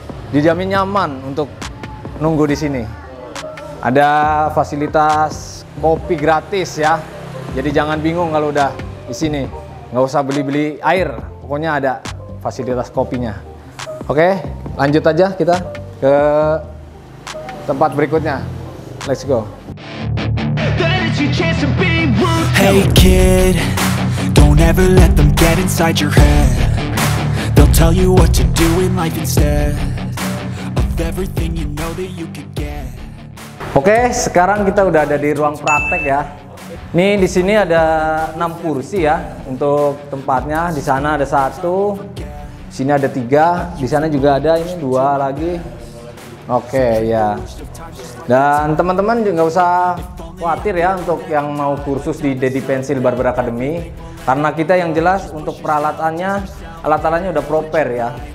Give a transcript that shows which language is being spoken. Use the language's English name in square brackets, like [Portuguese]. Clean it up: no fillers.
[Indonesian] Dijamin nyaman untuk nunggu di sini. Ada fasilitas kopi gratis ya. Jadi jangan bingung kalau udah di sini. Nggak usah beli-beli air. Pokoknya ada fasilitas kopinya. Oke, lanjut aja kita ke tempat berikutnya. [English] Let's go. Hey kid, don't ever let them get inside your head. They'll tell you what to do in life instead of everything you know that you could get. [Indonesian] Oke, sekarang kita udah ada di ruang praktek ya. Nih di sini ada 6 kursi ya untuk tempatnya. Di sana ada 1, di sini ada 3, di sana juga ada ini 2 lagi. Oke ya. Dan teman-teman juga nggak usah khawatir ya untuk yang mau kursus di Deddy Pensil Barber Academy, karena kita yang jelas untuk peralatannya, alat-alatnya udah proper ya.